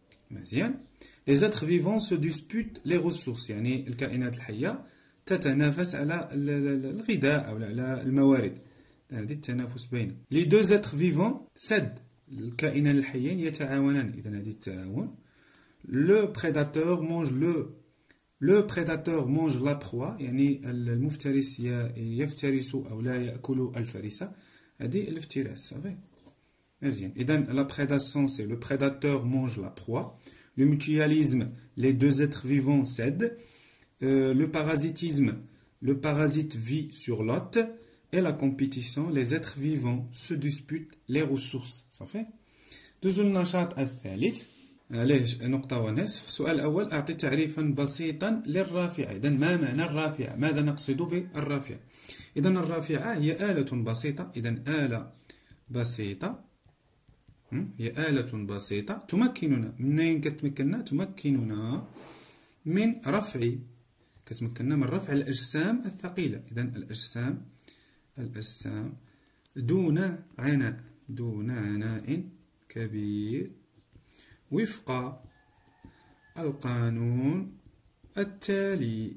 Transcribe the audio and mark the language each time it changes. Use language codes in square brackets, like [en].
[ar] مزيان، [fr] لي زاتر فيفون سو ديسبوت لي غوسورس، [ar] يعني الكائنات الحية تتنافس على الغذاء أو على الموارد، هادي التنافس بين [fr] لي دو زاتر فيفون سد، [ar] الكائنان الحيين يتعاونان، إذا هادي التعاون. [fr] Le prédateur mange le prédateur mange la proie, [ar] يعني المفترس يفترس أو لا يأكل الفريسة، هذه الافتراس، صافي. مزيان، إذا [fr] la prédation c'est le prédateur mange la proie, le mutualisme les deux êtres vivants cèdent, le parasitisme le parasite vit sur l'hôte, et la compétition les êtres vivants se disputent les ressources، [ar] صافي. دوزو النشاط الثالث، علاش نقطة ونصف؟ السؤال الأول أعطي تعريفا بسيطا للرافعة، إذا ما معنى الرافعة؟ ماذا نقصد بالرافعة؟ إذا الرافعة هي آلة بسيطة، إذا آلة بسيطة، هي آلة بسيطة تمكننا، منين كتمكننا؟ تمكننا من رفع، كتمكننا من رفع الأجسام الثقيلة، إذا الأجسام، الأجسام دون عناء، دون عناء كبير وفق القانون التالي.